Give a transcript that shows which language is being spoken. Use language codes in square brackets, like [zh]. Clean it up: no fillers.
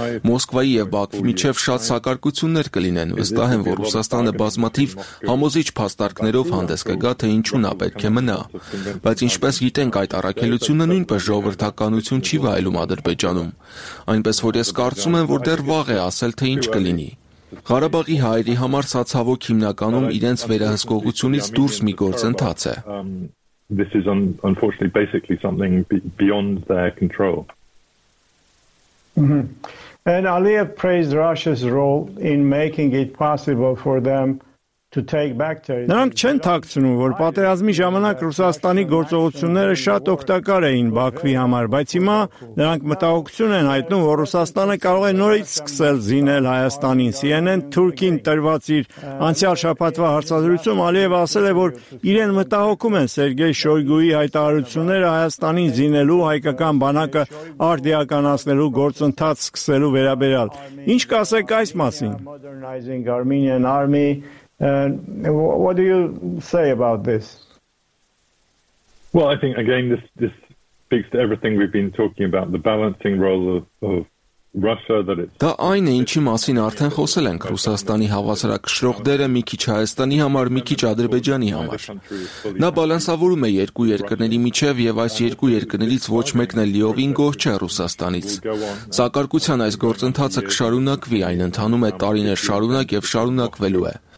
[hy] Մոսկվայի և Բաքվի միջև շատ սակարկություններ կլինեն, վստահ եմ, որ Ռուսաստանը բազմաթիվ համոզիչ փաստարկներով հանդես կգա, թե ինչու նա պետք է մնա։ Բայց ինչպես գիտենք, այդ առաքելությունը նույնպես ժողովրդականություն չի վայելում Ադրբեջանում, այնպես որ ես կարծում եմ, որ դեռ վաղ է ասել, թե ինչ կլինի։ Ղարաբաղի հայերի համար սա ցավոք հիմնականում իրենց վերահսկողությունից դուրս մի գործընթաց է։ [en] This is unfortunately basically something beyond their control. And Aliyev praised Russia's role in making it possible for them to take back territory. [hy] Նրանք չեն թաքցնում, որ պատերազմի ժամանակ Ռուսաստանի գործողությունները շատ օգտակար էին Բաքվի համար, բայց հիմա նրանք մտահոգություն են հայտնում, որ Ռուսաստանը կարող է նորից սկսել զինել Հայաստանին։ CNN Թուրքին տրված իր անցյալ շաբաթվա հարցազրույցում Ալիևը ասել է, որ իրեն մտահոգում են Սերգեյ Շոյգուի հայտարարությունները Հայաստանին զինելու, հայկական բանակը արդիականացնելու գործընթաց սկսելու վերաբերյալ։ Ինչ կասեք այս մասին։ [en] What do you say about this? Well, I think again this speaks to everything we've been talking about, the balancing role of Russia, that it's [hy] Դա այն է, ինչի մասին արդեն խոսել ենք, Ռուսաստանի հավասարակշռող դերը մի քիչ Հայաստանի համար, մի քիչ Ադրբեջանի համար։ Նա բալանսավորում է երկու երկրների միջև, և այս երկու երկրներից ոչ մեկն է լիովին գոհ չէ Ռուսաստանից։ Սակարկության այս գործընթացը կշարունակվի, այն ընթանում է տարիներ շարունակ և շարունակվելու է։